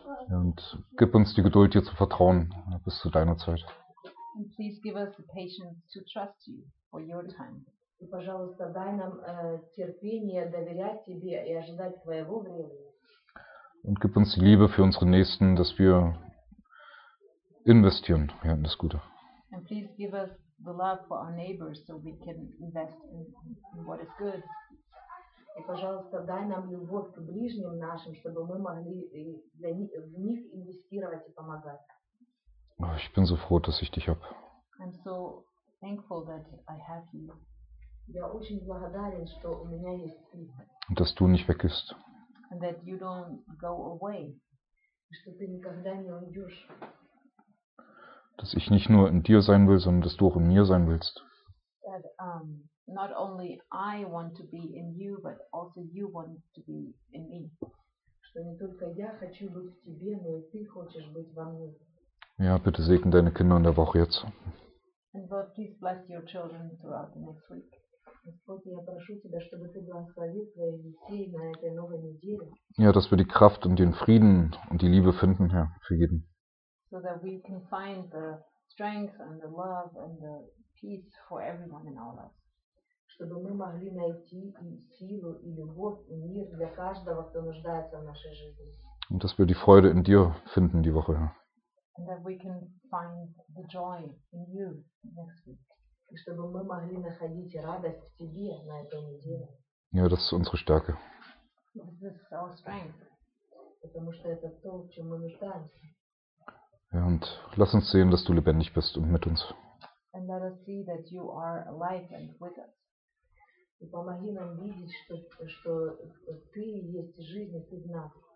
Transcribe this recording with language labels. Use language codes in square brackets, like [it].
[de] Und gib uns die Geduld, dir zu vertrauen, bis zu deiner Zeit. [en] And please give us the patience to trust you for your time. [ru] И, пожалуйста, дай нам терпение доверять тебе и ожидать твоего времени. [de] Und gib uns die Liebe für unsere Nächsten, dass wir investieren in das Gute. [en] And please give us the love for our neighbors, so we can invest in what is good. [ru] И, пожалуйста, дай нам любовь к ближним нашим, чтобы мы могли в них инвестировать и помогать. [de] Oh, ich bin so froh, dass ich dich hab. [en] I'm so thankful that I have you. [ru] Я очень благодарен, что у меня есть ты. [de] Und dass du nicht weggehst. [en] And that you don't go away. [ru] И что ты никогда не уйдешь. [de] Dass ich nicht nur in dir sein will, sondern dass du auch in mir sein willst. [en] That, not only I want to be in you, but also you want to be in me. [ru] Что не только я хочу быть в тебе, но и ты хочешь быть во мне. [de] Ja, bitte segne deine Kinder in der Woche jetzt. [en] And Lord, please bless your children throughout the next week. [ru] Господь, я прошу тебя, чтобы ты благословил своих детей на этой новой неделе. [de] Ja, dass wir die Kraft und den Frieden und die Liebe finden, Herr, für jeden. [en] So that we can find the strength and the love and the peace for everyone in our lives. [ru] Чтобы мы могли найти и силу, и любовь, и мир для каждого, кто нуждается в нашей жизни. [de] Und dass wir die Freude in dir finden die Woche, Herr. [en] And that we can find the joy in you next week. [ru] И чтобы мы могли находить радость в тебе на этой неделе. [de] Ja, das ist unsere Stärke. [en] This is our strength. [ru] Потому что это то, в чем мы нуждаемся. [de] Ja, und lass uns sehen, dass du lebendig bist und mit uns. [en] And let us see that you are alive and with us. [ru] И помоги нам видеть, что ты есть жизнь, и ты в нас.